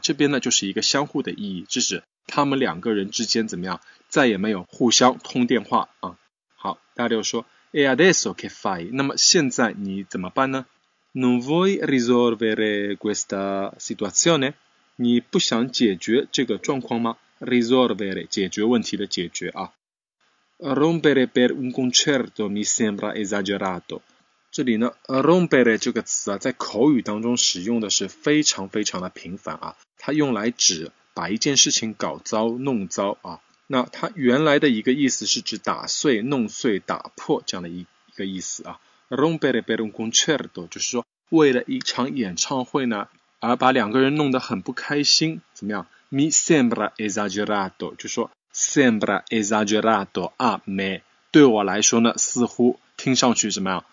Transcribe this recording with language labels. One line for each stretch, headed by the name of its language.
Chinese: 这边呢就是一个相互的意义，就是他们两个人之间怎么样再也没有互相通电话啊。好，大家就说
Italian: e adesso che fai，
Chinese: 那么现在你怎么办呢？
Italian: non vuoi risolvere questa situazione，
Chinese: 你不想解决这个状况吗？ risolvere 解决问题的解决啊。
Italian: Rompere per un concerto mi sembra esagerato。
Chinese: 这里呢 rompere 这个词啊，在口语当中使用的是非常非常的频繁啊，它用来指把一件事情搞糟弄糟啊。那它原来的一个意思是指打碎弄碎打破这样的一一个意思啊。
Italian: Rompere per un concerto
Chinese: 就是说为了一场演唱会呢而把两个人弄得很不开心，怎么样？
Italian: Mi sembra esagerato
Chinese: 就说
Italian: sembra esagerato a me
Chinese: 对我来说呢，似乎听上去怎么样？